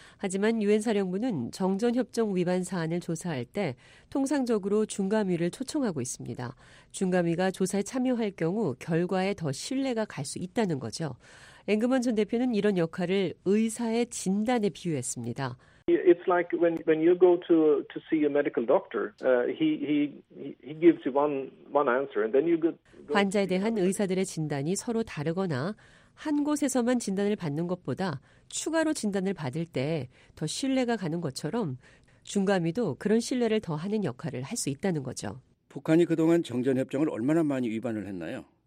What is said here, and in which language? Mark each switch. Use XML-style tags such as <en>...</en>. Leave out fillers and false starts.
<ko>하지만 유엔사령부는 정전협정 위반 사안을 조사할 때 통상적으로 중과미를 초청하고 있습니다. 중과미가 조사에 참여할 경우 결과에 더 신뢰가 갈 수 있다는 거죠. 앵그먼 전 대표는 이런 역할을 의사의 진단에 비유했습니다.</ko> <en>It's like when you go to see a medical doctor, he gives you one answer and then you go.</en> <ko>환자에 대한 의사들의 진단이 서로 다르거나 한 곳에서만 진단을 받는 것보다 추가로 진단을 받을 때 더 신뢰가 가는 것처럼 중과미도 그런 신뢰를 더하는 역할을 할 수 있다는 거죠. 북한이 그동안 정전협정을 얼마나 많이 위반을 했나요?</ko>